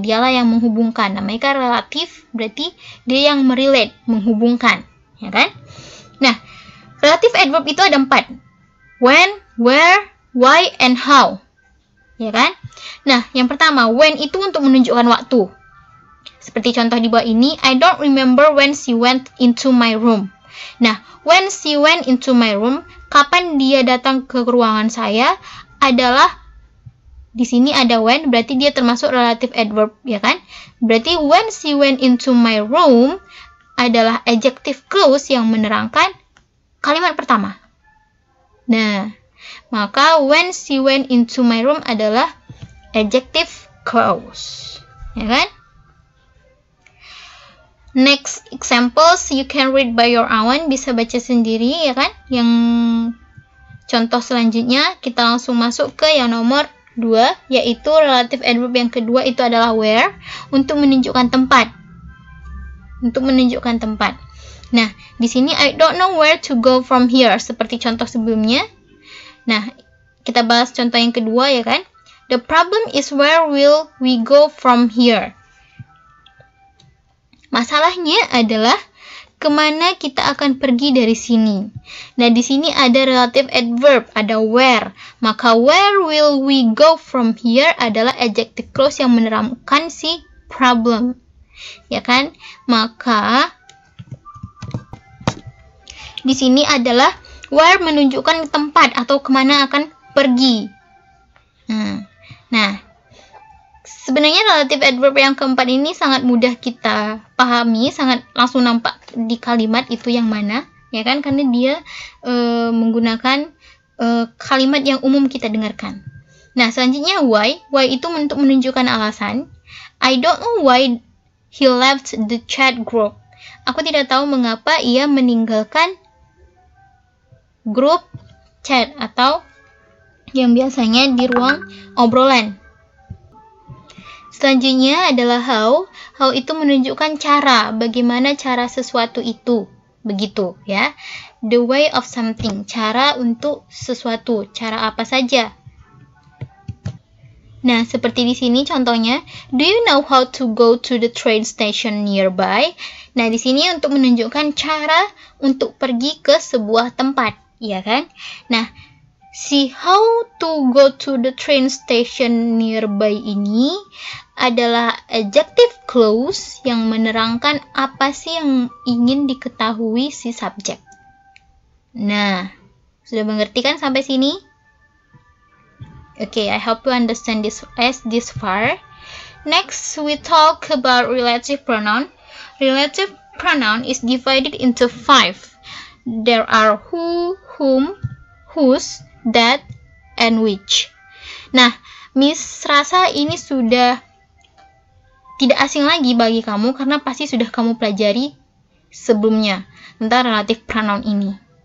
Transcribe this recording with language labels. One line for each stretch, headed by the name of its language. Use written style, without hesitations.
Indonesian: Dialah yang menghubungkan. Namanya kan relative, berarti dia yang merelate, menghubungkan. Ya kan? Nah, relative adverb itu ada 4. When, where, why, and how. Ya kan? Nah, yang pertama, when itu untuk menunjukkan waktu. Seperti contoh di bawah ini,
English: I don't remember when she went into my room.
Indonesian: Nah,
English: when she went into my room,
Indonesian: kapan dia datang ke ruangan saya adalah, di sini ada when, berarti dia termasuk relative adverb, ya kan? Berarti
English: when she went into my room
Indonesian: adalah adjective clause yang menerangkan kalimat pertama. Nah, maka
English: when she went into my room
Indonesian: adalah adjective clause, ya kan?
English: Next examples you can read by your own,
Indonesian: bisa baca sendiri, ya kan? Yang contoh selanjutnya kita langsung masuk ke yang nomor 2, yaitu relative adverb yang kedua itu adalah where, untuk menunjukkan tempat. untuk menunjukkan tempat. Nah, di sini
English: I don't know where to go from here,
Indonesian: seperti contoh sebelumnya. Nah, kita bahas contoh yang kedua ya kan.
English: The problem is where will we go from here?
Indonesian: Masalahnya adalah kemana kita akan pergi dari sini. Nah, di sini ada relative adverb, ada where. Maka
English: where will we go from here
Indonesian: adalah adjective clause yang menerangkan si problem. Ya kan? Maka di sini adalah where menunjukkan tempat atau kemana akan pergi. Nah, sebenarnya relative adverb yang keempat ini sangat mudah kita pahami, sangat langsung nampak di kalimat itu yang mana, ya kan? Karena dia menggunakan kalimat yang umum kita dengarkan. Nah, selanjutnya why. Why itu untuk menunjukkan alasan.
English: I don't know why he left the chat group.
Indonesian: Aku tidak tahu mengapa ia meninggalkan grup chat atau yang biasanya di ruang obrolan. Selanjutnya adalah how. How itu menunjukkan cara, bagaimana cara sesuatu itu, begitu ya.
English: The way of something,
Indonesian: cara untuk sesuatu, cara apa saja. Nah, seperti di sini contohnya,
English: do you know how to go to the train station nearby?
Indonesian: Nah, di sini untuk menunjukkan cara untuk pergi ke sebuah tempat, ya kan? Nah, si
English: how to go to the train station nearby
Indonesian: ini adalah adjective clause yang menerangkan apa sih yang ingin diketahui si subjek. Nah, sudah mengerti kan sampai sini?
English: Okay, I hope you understand this as this far. Next, we talk about relative pronoun. Relative pronoun is divided into 5. There are who, whom, whose, that, and which.
Indonesian: Nah, Miss Rasa ini sudah tidak asing lagi bagi kamu karena pasti sudah kamu pelajari sebelumnya tentang relative pronoun ini.